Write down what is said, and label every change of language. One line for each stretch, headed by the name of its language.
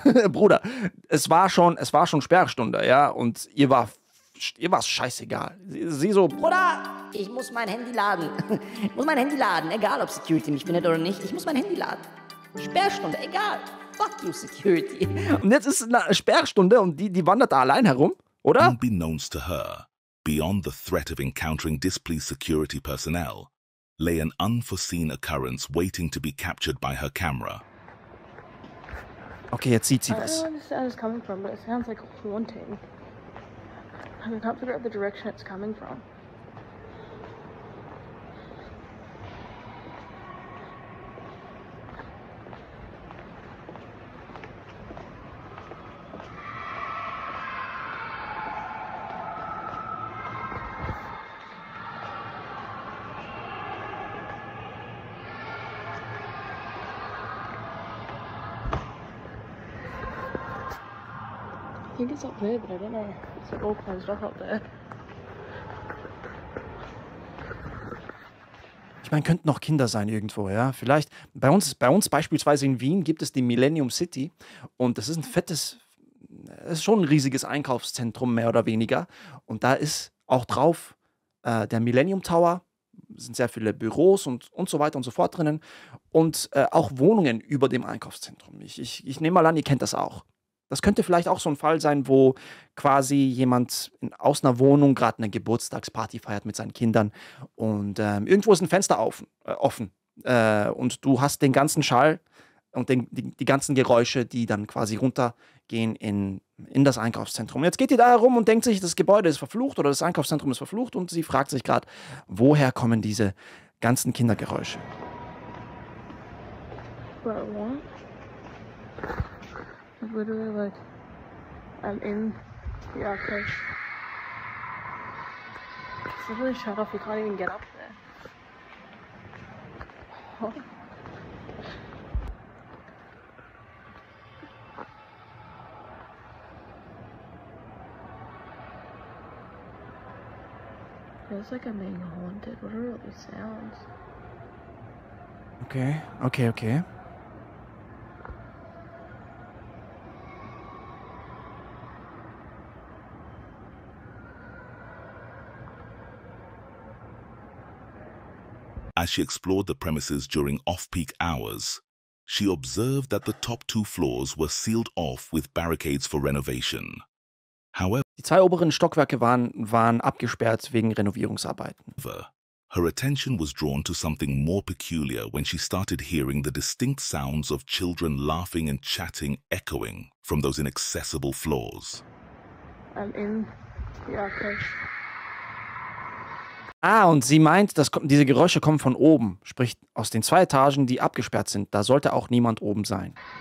German: Bruder, es war schon Sperrstunde, ja, und ihr war es scheißegal. Sie so, Bruder, ich muss mein Handy laden. Ich muss mein Handy laden, egal ob Security mich findet oder nicht. Ich muss mein Handy laden. Sperrstunde, egal.
English: Fuck you,
German: Security. Und jetzt ist eine Sperrstunde und die wandert da allein herum, oder?
English: Unbeknownst to her, beyond the threat of encountering displeased security personnel, lay an unforeseen occurrence waiting to be captured by her camera.
German: Okay, jetzt sieht sie was.
English: I don't understand where it's coming from, but it sounds like haunting. I can't figure out the direction it's coming from. I think it's up there, but I don't know. It's like all closed off up there.
German: Ich meine, könnten noch Kinder sein irgendwo, ja? Vielleicht bei uns beispielsweise in Wien gibt es die Millennium City und das ist ein fettes, es ist schon ein riesiges Einkaufszentrum mehr oder weniger und da ist auch drauf der Millennium Tower, sind sehr viele Büros und so weiter und so fort drinnen und auch Wohnungen über dem Einkaufszentrum. Ich nehme mal an, ihr kennt das auch. Das könnte vielleicht auch so ein Fall sein, wo quasi jemand aus einer Wohnung gerade eine Geburtstagsparty feiert mit seinen Kindern und irgendwo ist ein Fenster offen und du hast den ganzen Schall und die ganzen Geräusche, die dann quasi runtergehen in das Einkaufszentrum. Jetzt geht ihr da herum und denkt sich, das Gebäude ist verflucht oder das Einkaufszentrum ist verflucht und sie fragt sich gerade, woher kommen diese ganzen Kindergeräusche?
English: Literally, like, I'm in the arcade. It's literally shut off, you can't even get up there. Feels like I'm being haunted. What are all these sounds? Okay. As she explored the premises during off-peak hours, she observed that the top two floors were sealed off with barricades for renovation. However,
German: die zwei oberen Stockwerke waren abgesperrt wegen Renovierungsarbeiten.
English: Her attention was drawn to something more peculiar when she started hearing the distinct sounds of children laughing and chatting echoing from those inaccessible floors. I'm in the arcade.
German: Ah, und sie meint, dass diese Geräusche kommen von oben, sprich aus den zwei Etagen, die abgesperrt sind. Da sollte auch niemand oben sein.